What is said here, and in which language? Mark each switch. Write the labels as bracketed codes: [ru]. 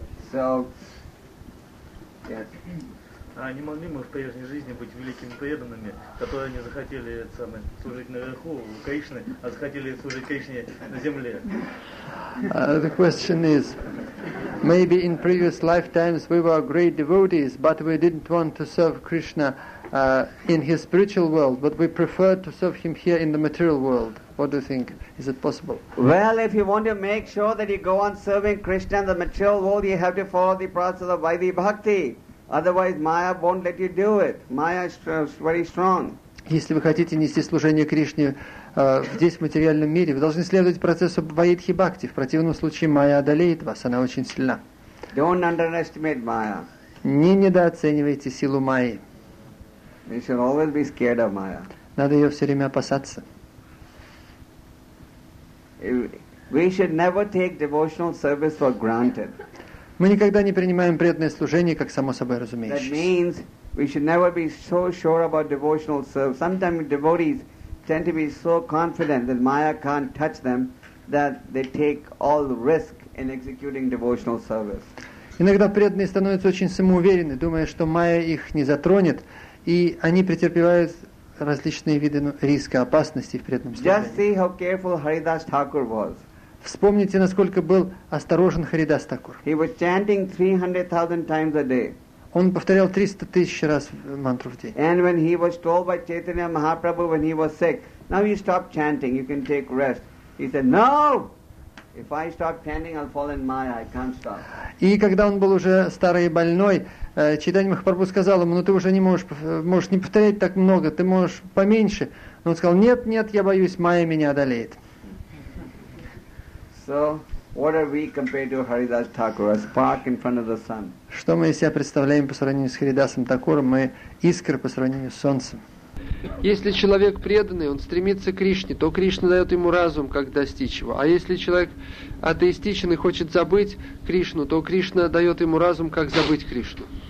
[en] So, yes. [ru] А не могли мы в прежней жизни быть великими преданными, которые не захотели служить наверху у Кришны, а захотели служить Кришне на земле? [en] The question is, maybe in previous lifetimes we were great devotees, but we didn't want to serve Krishna in his spiritual world, but we preferred to serve him here in the material world. What do you think? Is it possible? Well, if you want to make sure that you go on serving Krishna in the material world, you have to follow the process of Vaidhi Bhakti. Otherwise, Maya won't let you do it. Maya is very strong. [ru] Если вы хотите нести служение Кришне здесь, в материальном мире, вы должны следовать процессу Vaidhi Bhakti. В противном случае Майя одолеет вас, она очень сильна. [en] Don't underestimate Maya. [ru] Не недооценивайте силу Майи. [en] You should always be scared of Maya. [ru] Надо ее все время опасаться. [en] We should never take devotional service for granted. [ru] Мы никогда не принимаем преданное служение как само собой разумеющееся. [en] We should never be so sure about devotional service. Sometimes devotees tend to be so confident that Maya can't touch them that they take all the risk in executing devotional service. [ru] Иногда преданные становятся очень самоуверенны, думая, что Майя их не затронет, и они претерпевают различные виды риска, опасности в преданном служении. [en] Just see how careful Haridas Thakur was. [ru] Вспомните, насколько был осторожен Харидас Такур. [en] He was chanting 300,000 times a day. [ru] Он повторял 300 тысяч раз мантру в день. [en] And when he was told by Chaitanya Mahaprabhu when he was sick, now you stop chanting, you can take rest. He said, no! If I stop chanting, I'll fall in Maya, I can't stop. [ru] И когда он был уже старый и больной, Чайтанья Махапрабху сказал ему, ну ты уже не можешь не повторять так много, ты можешь поменьше. Но он сказал, нет, я боюсь, Майя меня одолеет. [en] So, what are we compared to Haridas Thakur, a spark in front of the sun? [ru] Что мы из себя представляем по сравнению с Харидасом Такуром? Мы искры по сравнению с солнцем. Если человек преданный, он стремится к Кришне, то Кришна дает ему разум, как достичь его. А если человек атеистичен и хочет забыть Кришну, то Кришна дает ему разум, как забыть Кришну.